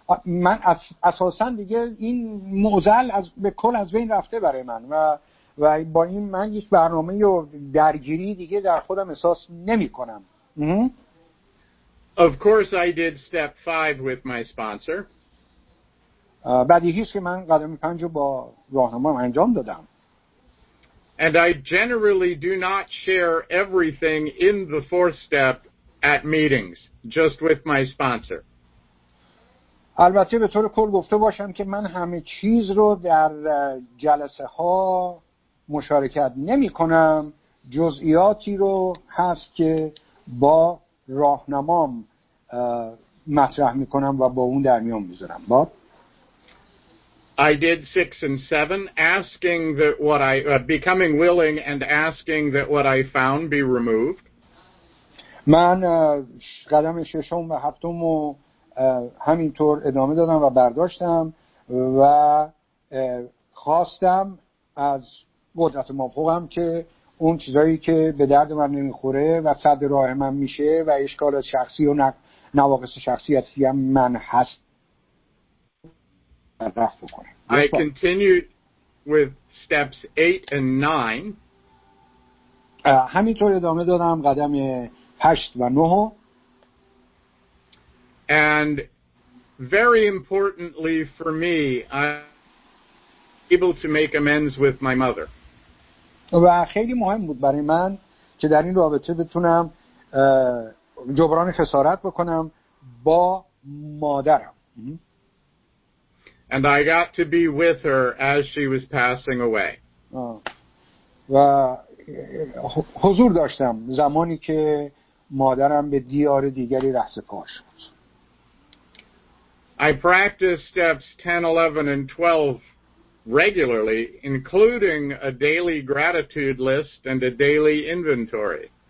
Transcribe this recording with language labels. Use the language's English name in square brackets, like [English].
[Persian] من اساسا دیگه این موزل از به کل از بین رفته برای من و با این من یک برنامه و درگیری دیگه در خودم احساس نمی کنم. [English] Of course I did step 5 with my sponsor. [Persian] بدیهی است که من قدم 5 رو با راهنمایم انجام دادم. [English] And I generally do not share everything in the fourth step at meetings, just with my sponsor. [Persian] البته به طور کل گفته باشم که من همه چیز رو در جلسه ها مشارکت نمی کنم. جزئیاتی رو هست که با راهنمام مطرح می کنم و با اون در میان میذارم. باب؟ [English] I did 6 and 7, asking that what I becoming willing and asking that what I found be removed. [Persian] من قدم ششم و هفتم رو همینطور ادامه دادم و برداشتم و خواستم از قدرت مافوقم که اون چیزایی که به درد من نمیخوره و صد راه من میشه و اشکال شخصی و نواقص شخصیتی هم من هست رفت بکنه. [English] I continued with steps 8 and 9. [Persian] همینطور ادامه دادم قدم 8 و 9. [English] And very importantly for me, I'm able to make amends with my mother. [Persian] و خیلی مهم بود برای من که در این رابطه بتونم جبران خسارت بکنم با مادرم. [English] And I got to be with her as she was passing away. [Persian] و حضور داشتم زمانی که مادرم به دیار دیگری رهسپار شد. [English] I practiced steps 10, 11, and 12 regularly, including a daily gratitude list and a daily inventory.